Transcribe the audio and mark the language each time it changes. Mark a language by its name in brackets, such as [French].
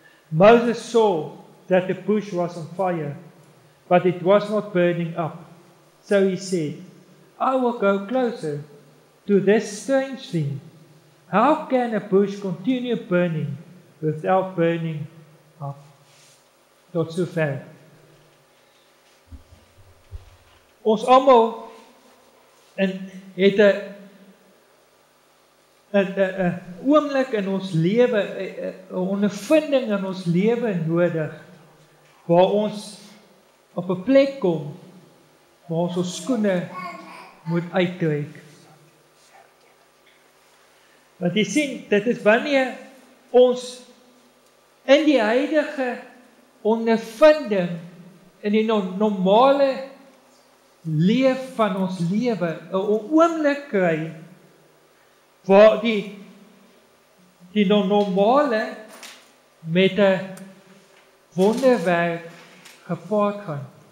[English] Moses saw that the bush was on fire, but it was not burning up. So he said, I will go closer to this strange thing. How can a bush continue burning without burning up? [Afrikaans] Tot sover. Ons allemaal het een oomblik in ons leven, een ondervinding in ons leven nodig, waar ons op 'n plek kom waar ons ons skoene moet uittrek. Want jy sien, dit is wanneer ons in die huidige ondervinding in die normale leef van ons lewe 'n oomblik kry waar die normale met 'n wonderwerk gepaard gaan.